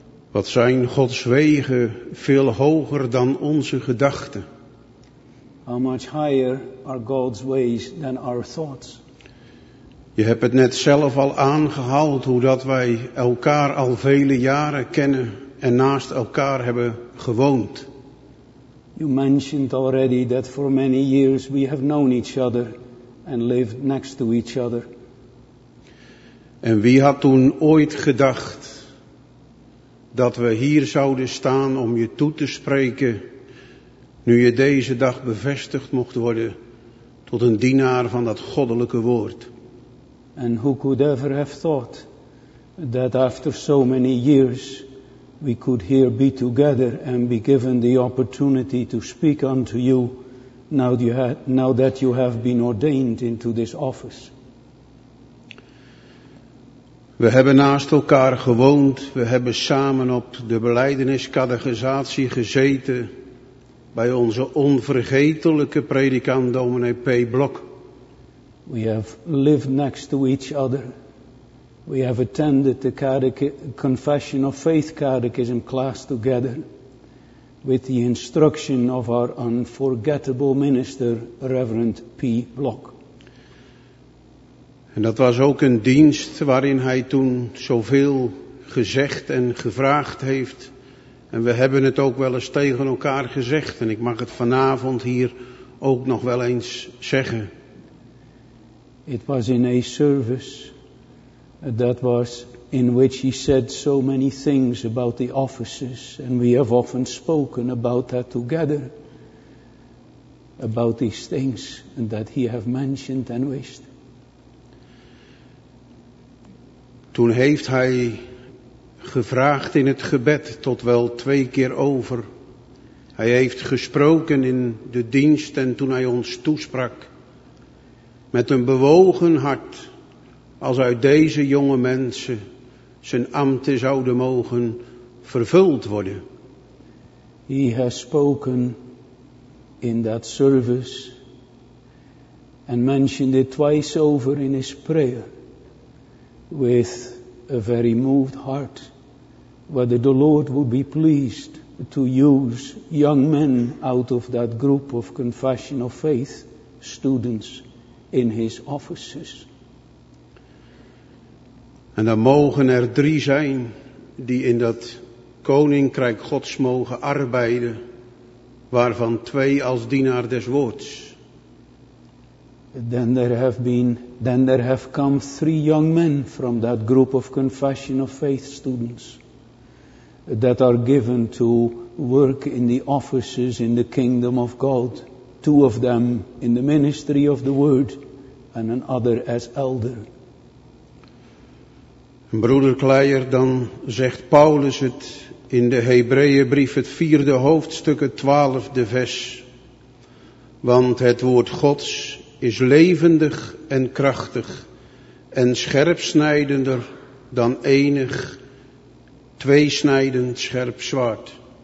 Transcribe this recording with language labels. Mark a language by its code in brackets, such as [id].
[nl] Wat zijn Gods wegen veel hoger dan onze gedachten. [en] How much higher are God's ways than our thoughts. [nl] Je hebt het net zelf al aangehaald hoe dat wij elkaar al vele jaren kennen en naast elkaar hebben gewoond. [en] You mentioned already that for many years we have known each other and lived next to each other. [nl] En wie had toen ooit gedacht dat we hier zouden staan om je toe te spreken, nu je deze dag bevestigd mocht worden tot een dienaar van dat goddelijke woord. [en] And who could ever have thought that after so many years we could here be together and be given the opportunity to speak unto you now that you have been ordained into this office. [nl] We hebben naast elkaar gewoond. We hebben samen op de belijdeniscategorisatie gezeten bij onze onvergetelijke predikant dominee P. Blok. [en] We have lived next to each other. We have attended the Confession of Faith Catechism class together with the instruction of our unforgettable minister, Reverend P. Blok. [nl] En dat was ook een dienst waarin hij toen zoveel gezegd en gevraagd heeft. En we hebben het ook wel eens tegen elkaar gezegd. En ik mag het vanavond hier ook nog wel eens zeggen. [en] It was in a service that was in which he said so many things about the offices. And we have often spoken about that together. About these things that he have mentioned and wished. [nl] Toen heeft hij gevraagd in het gebed tot wel twee keer over. Hij heeft gesproken in de dienst en toen hij ons toesprak. Met een bewogen hart, als uit deze jonge mensen zijn ambten zouden mogen vervuld worden. [en] He has spoken in that service and mentioned it twice over in his prayer with a very moved heart, whether the Lord would be pleased to use young men out of that group of Confession of Faith students in his offices. [nl] En dan mogen er drie zijn die in dat Koninkrijk Gods mogen arbeiden, waarvan twee als dienaar des woords. [en] Then there have come three young men from that group of Confession of Faith students that are given to work in the offices in the kingdom of God. Two of them in the ministry of the word and another as elder. [nl] Broeder Kleier, dan zegt Paulus het in de Hebreeënbrief, het vierde hoofdstuk, het twaalfde vers. Want het woord Gods is levendig en krachtig en scherpsnijdender dan enig tweesnijdend scherp zwaard.